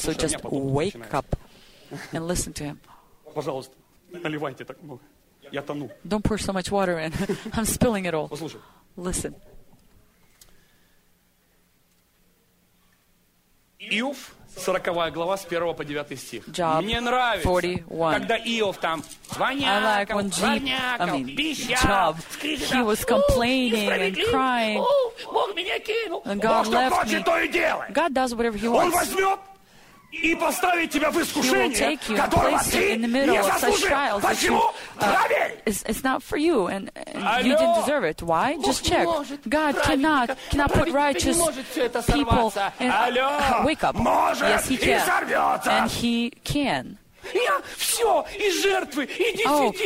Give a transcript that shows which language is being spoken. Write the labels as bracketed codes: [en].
[en] So just wake up and listen to him. [ru] Пожалуйста, наливайте так много. Я тону. [en] Don't pour so much water in. I'm spilling it all. [ru] Послушай. [en] Listen. [ru] Иов 40 глава с 1 по 9 стих. [en] Job [ru] Мне нравится, [en] 41. [ru] Когда Иов там звонякал, [en] like [ru] пищал, [en] he was complaining and crying. [ru] Бог меня кинул. Бог что хочет, то и делает. [en] He wants. [ru] Он возьмет и поставит тебя в искушение, которого ты не заслужил. Почему? [en] It's not for you, and you didn't deserve it. Why? Just check. God cannot put righteous people in... Wake up. Yes, he can. And he can. Oh,